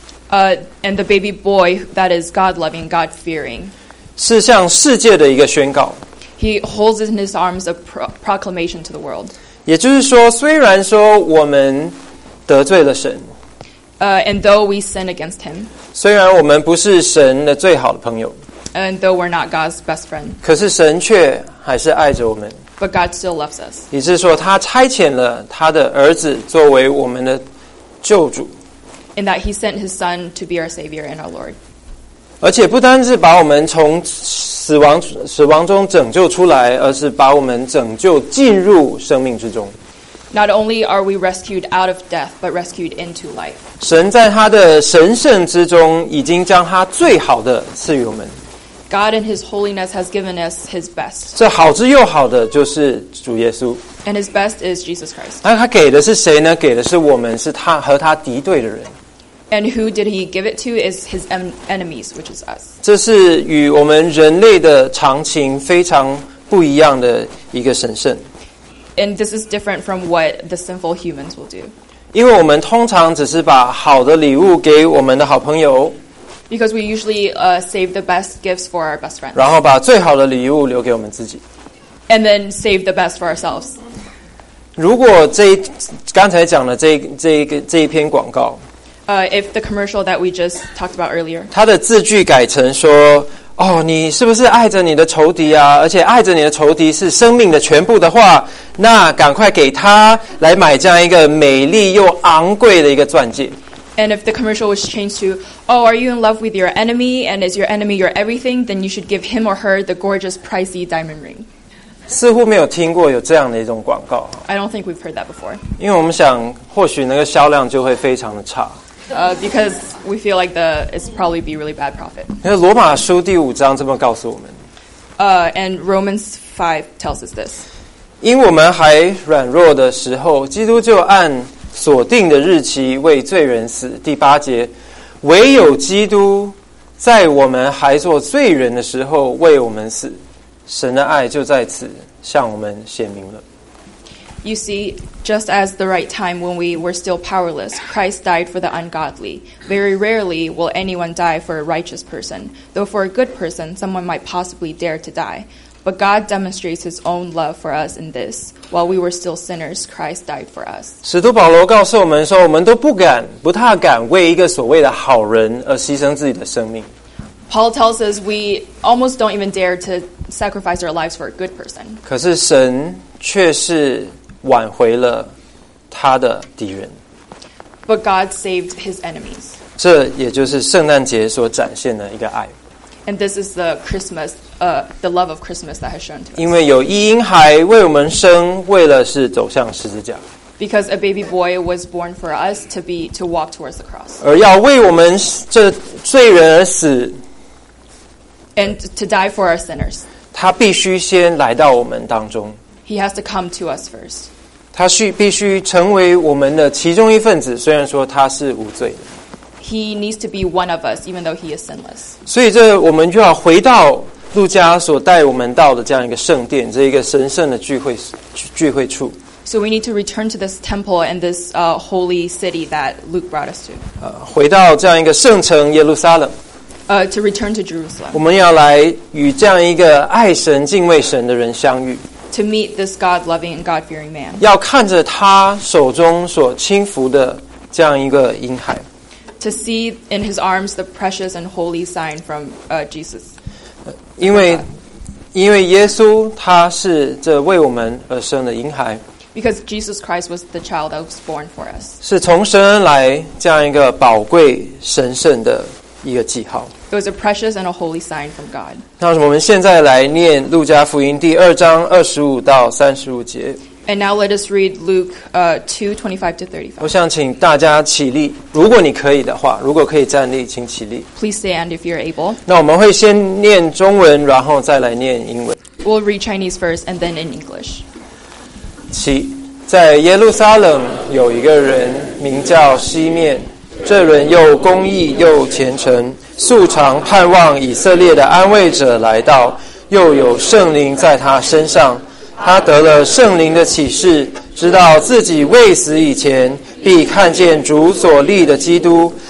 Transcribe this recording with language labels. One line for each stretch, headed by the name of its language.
English: And the baby boy that is God-loving, God-fearing.
Chinese: 是向世界的一个宣告。
English: He holds in his arms a proclamation to the world.
Chinese: 也就是说，虽然说我们得罪了神。
English: And though we sin against him.
Chinese: 虽然我们不是神的最好的朋友。
English: And though we're not God's best friend.
Chinese: 可是神却还是爱着我们。
English: But God still loves us.
Chinese: 也是说他差遣了他的儿子作为我们的救主。
English: In that he sent his son to be our savior and our Lord.
Chinese: 而且不单是把我们从死亡中拯救出来，而是把我们拯救进入生命之中。
English: Not only are we rescued out of death, but rescued into life.
Chinese: 神在他的神圣之中已经将他最好的赐予我们。
English: God in His holiness has given us His best.
Chinese: 这好之又好的就是主耶稣。
English: And His best is Jesus Christ.
Chinese: 那他给的是谁呢？给的是我们，是他和他敌对的人。
English: And who did He give it to? Is His enemies, which is us.
Chinese: 这是与我们人类的常情非常不一样的一个神圣。
English: And this is different from what the sinful humans will do.
Chinese: 因为我们通常只是把好的礼物给我们的好朋友。
English: Because we usually save the best gifts for our best friends.
Chinese: 然后把最好的礼物留给我们自己。
English: And then save the best for ourselves.
Chinese: 如果刚才讲的这一篇广告。
English: If the commercial that we just talked about earlier.
Chinese: 它的字句改成说，哦，你是不是爱着你的仇敌啊？而且爱着你的仇敌是生命的全部的话，那赶快给他来买这样一个美丽又昂贵的一个钻戒。
English: And if the commercial was changed to, oh, are you in love with your enemy? And is your enemy your everything? Then you should give him or her the gorgeous, pricey diamond ring.
Chinese: 似乎没有听过有这样的一种广告。
English: I don't think we've heard that before.
Chinese: 因为我们想，或许那个销量就会非常的差。
English: Because we feel like it's probably be really bad profit.
Chinese: 因为罗马书第五章这么告诉我们。
English: And Romans 5 tells us this.
Chinese: 因我们还软弱的时候，基督就按所定的日期为罪人死。第八节，唯有基督在我们还做罪人的时候为我们死，神的爱就在此向我们显明了。
English: You see, just as the right time when we were still powerless, Christ died for the ungodly. Very rarely will anyone die for a righteous person, though for a good person, someone might possibly dare to die. But God demonstrates His own love for us in this. While we were still sinners, Christ died for us.
Chinese: 使徒保罗告诉我们说，我们都不敢，不太敢为一个所谓的好人而牺牲自己的生命。
English: Paul tells us we almost don't even dare to sacrifice our lives for a good person.
Chinese: 可是神却是挽回了他的敌人。
English: But God saved his enemies.
Chinese: 这也就是圣诞节所展现的一个爱。
English: And this is the love of Christmas that has shown to us.
Chinese: 因为有一婴孩为我们生，为了是走向十字架。
English: Because a baby boy was born for us to walk towards the cross.
Chinese: 而要为我们这罪人而死。
English: And to die for our sinners.
Chinese: 他必须先来到我们当中。
English: He has to come to us first.
Chinese: 他必须成为我们的其中一份子，虽然说他是无罪的。
English: He needs to be one of us, even though he is sinless.
Chinese: 所以这我们就要回到路加所带我们到的这样一个圣殿，这一个神圣的聚会处。
English: So we need to return to this temple and this holy city that Luke brought us to.
Chinese: 回到这样一个圣城耶路撒冷。
English: To return to Jerusalem.
Chinese: 我们要来与这样一个爱神敬畏神的人相遇。
English: To meet this God-loving and God-fearing man.
Chinese: 要看着他手中所轻抚的这样一个婴孩。
English: To see in his arms the precious and holy sign from Jesus.
Chinese: 因为耶稣他是这为我们而生的婴孩。
English: Because Jesus Christ was the child that was born for us.
Chinese: 是从神而来这样一个宝贵神圣的一个记号。
English: It was a precious and a holy sign from God.
Chinese: 那我们现在来念路加福音第二章二十五到三十五节。
English: And now let us read Luke 2:25-35.
Chinese: 我想请大家起立，如果你可以的话，如果可以站立，请起立。
English: Please stand if you're able.
Chinese: 那我们会先念中文，然后再来念英文。
English: We'll read Chinese first and then in English.
Chinese: 起，在耶路撒冷有一个人名叫西面，这人又公义又虔诚，素常盼望以色列的安慰者来到，又有圣灵在他身上。他得了圣灵的启示，知道自己未死以前必看见主所立的基督。